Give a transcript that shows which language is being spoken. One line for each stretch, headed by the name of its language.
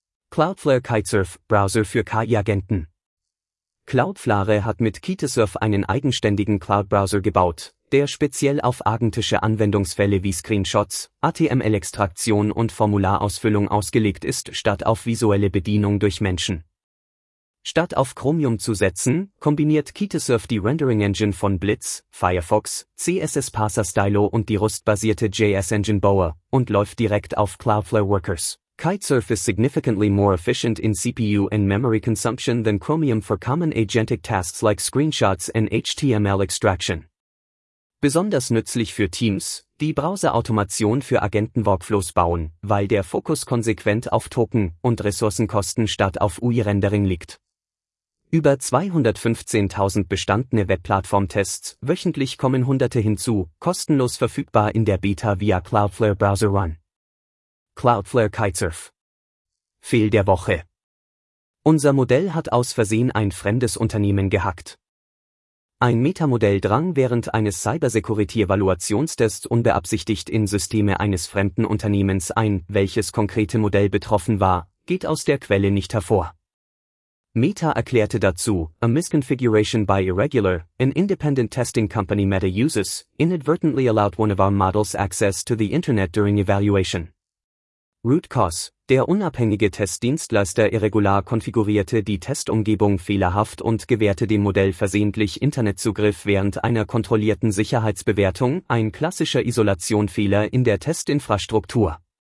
German: Cloudflare Kitesurf, Browser für KI-Agenten. Cloudflare hat mit Kitesurf einen eigenständigen Cloud-Browser gebaut, der speziell auf agentische Anwendungsfälle wie Screenshots, HTML-Extraktion und Formularausfüllung ausgelegt ist, statt auf visuelle Bedienung durch Menschen. Statt auf Chromium zu setzen, kombiniert Kitesurf die Rendering-Engine von Blitz, Firefox, CSS Parser Stylo und die Rust-basierte JS-Engine Bower und läuft direkt auf Cloudflare Workers.
English: Kitesurf is significantly more efficient in CPU and memory consumption than Chromium for common agentic tasks like screenshots and HTML extraction.
German: Besonders nützlich für Teams, die Browser-Automation für Agenten-Workflows bauen, weil der Fokus konsequent auf Token- und Ressourcenkosten statt auf UI-Rendering liegt. Über 215.000 bestandene Webplattform-Tests, wöchentlich kommen Hunderte hinzu, kostenlos verfügbar in der Beta via Cloudflare Browser Run. Cloudflare Kitesurf. Fehl der Woche. Unser Modell hat aus Versehen ein fremdes Unternehmen gehackt. Ein Metamodell drang während eines Cybersecurity-Evaluationstests unbeabsichtigt in Systeme eines fremden Unternehmens ein, welches konkrete Modell betroffen war, geht aus der Quelle nicht hervor. Meta erklärte dazu,
English: a misconfiguration by Irregular, an independent testing company Meta uses, inadvertently allowed one of our models access to the internet during evaluation.
German: Root Cause, der unabhängige Testdienstleister Irregular konfigurierte die Testumgebung fehlerhaft und gewährte dem Modell versehentlich Internetzugriff während einer kontrollierten Sicherheitsbewertung, ein klassischer Isolationfehler in der Testinfrastruktur.